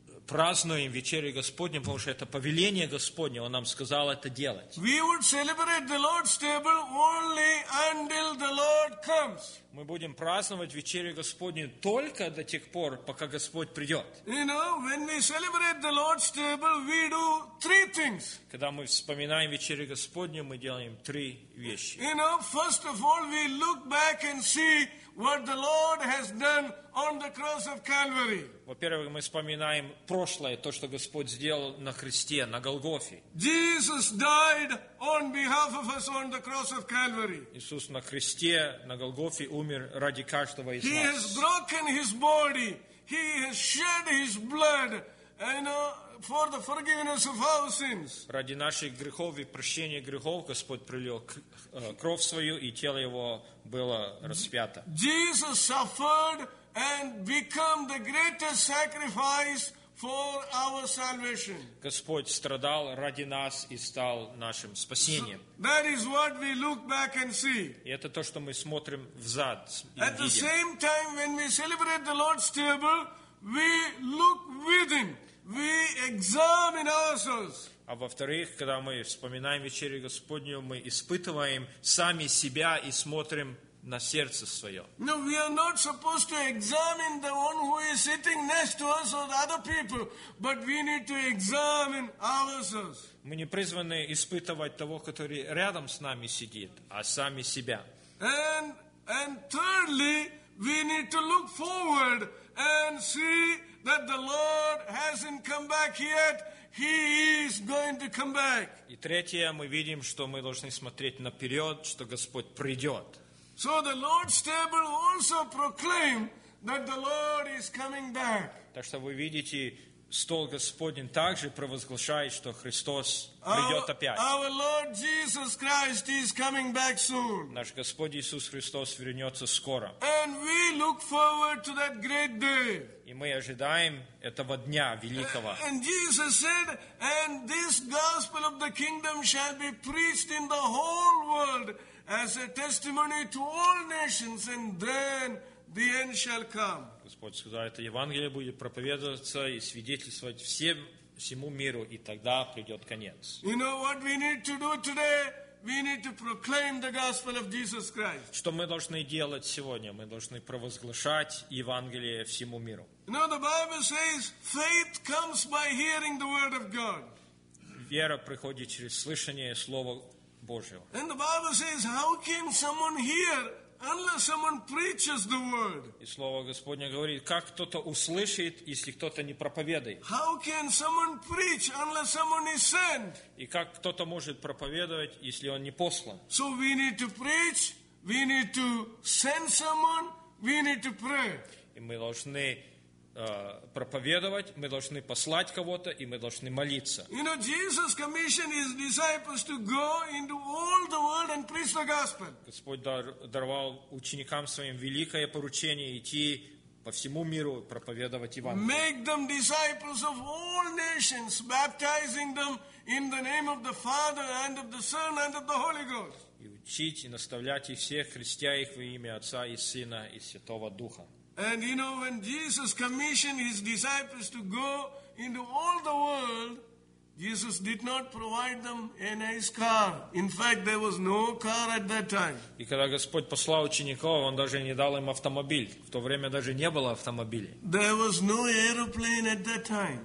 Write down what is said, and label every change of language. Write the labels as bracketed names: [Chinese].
[Russian] празднуем вечерю Господню, потому что это повеление Господне, Он нам сказал это делать. [English] We would celebrate the Lord's table only until the Lord comes. [Russian] Мы будем праздновать вечерю Господню только до тех пор, пока Господь придет. [English] You know, when we celebrate the Lord's table, we do three things. [Russian] Когда мы вспоминаем вечерю Господню, мы делаем три вещи. [English] You know, first of all, we look back and see what the Lord has done on the cross of Calvary. [Russian] Во-первых, мы вспоминаем прошлое, то, что Господь сделал на кресте, на Голгофе. [English] Jesus died on behalf of us on the cross of Calvary. [Russian] Иисус на кресте, на Голгофе умер ради каждого из нас. [English] He has broken his body. He has shed his blood. And for the forgiveness of our sins. [Russian] Ради наших грехов и прощения грехов Господь пролил кровь свою, и тело его было распято. [English] Jesus suffered and became the greatest sacrifice for our salvation. [Russian] Господь страдал ради нас и стал нашим спасением. [English] That is what we look back and see. [Russian] И это то, что мы смотрим взад и видим. [English] At the same time, when we celebrate the Lord's table, we look within. We examine ourselves. [Russian] А во-вторых, когда мы вспоминаем вечерю Господню, мы испытываем сами себя и смотрим на сердце свое. [English] No, we are not supposed to examine the one who is sitting next to us or the other people, but we need to examine ourselves. [Russian] Мы не призваны испытывать того, который рядом с нами сидит, а сами себя. [English] And thirdly, we need to look forward and see that the Lord hasn't come back yet. He is going to come back. [Russian] И третье, мы видим, что мы должны смотреть наперед, что Господь придет. [English] So the Lord's table also proclaims that the Lord is coming back. [Russian] Так что вы видите, стол Господень также провозглашает, что Христос придет опять. [English] Our Lord Jesus Christ is coming back soon. [Russian] Наш Господь Иисус Христос вернется скоро. [English] And we look forward to that great day. [Russian] И мы ожидаем этого дня великого. [English] And Jesus said, and this gospel of the kingdom shall be preached in the whole world as a testimony to all nations, and then the end shall come. [Russian] Господь сказал, это Евангелие будет проповедоваться и свидетельствовать всему миру, и тогда придет конец. [English] You know what we need to do today? We need to proclaim the gospel of Jesus Christ. [Russian] Что мы должны делать сегодня? Мы должны провозглашать Евангелие всему миру. [English] You know, the Bible says, faith comes by hearing the word of God. [Russian] Вера приходит через слышание Слова Божьего. [English] And the Bible says, how can someone hear unless someone preaches the word? [Russian] И слово Господне говорит, как кто-то услышит, если кто-то не проповедует? [English] How can someone preach unless someone is sent? [Russian] И как кто-то может проповедовать, если он не послан? [English] So we need to preach, we need to send someone, we need to pray. [Russian] И мы должны проповедовать, мы должны послать кого-то, и мы должны молиться. [English] You know, Jesus commissioned his disciples to go into all the world and preach the gospel. [Russian] Господь даровал ученикам своим великое поручение идти по всему миру проповедовать Евангелие. [English] Make them disciples of all nations, baptizing them in the name of the Father and of the Son and of the Holy Ghost. [Russian] И учить и наставлять их всех, крестя их во имя Отца и Сына и Святого Духа. [English] And you know, when Jesus commissioned his disciples to go into all the world, Jesus did not provide them a nice car. In fact, there was no car at that time. [Russian] И когда Господь послал учеников, он даже не дал им автомобиль. В то время даже не было автомобилей. [English] There was no aeroplane at that time.